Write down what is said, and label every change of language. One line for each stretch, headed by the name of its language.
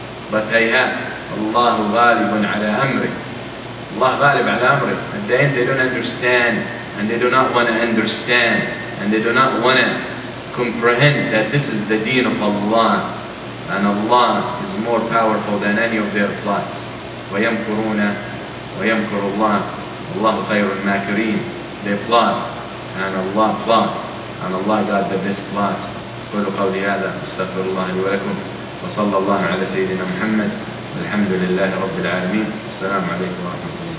Arabic: But hayat, Allah ghaliban ala amri. Allah ghalib ala amri.
English: At the end, they don't understand and they do not want to understand and they do not want to comprehend that this is the deen of Allah and Allah is more powerful than any of their plots.
Arabic: ويمكرون ويمكر الله الله خير الماكرين.
English: They plot and Allah plots and Allah got the best plots.
Arabic: قل قولي هذا استغفر الله لي ولكم وصلى الله على سيدنا محمد والحمد لله رب العالمين. السلام عليكم ورحمة الله.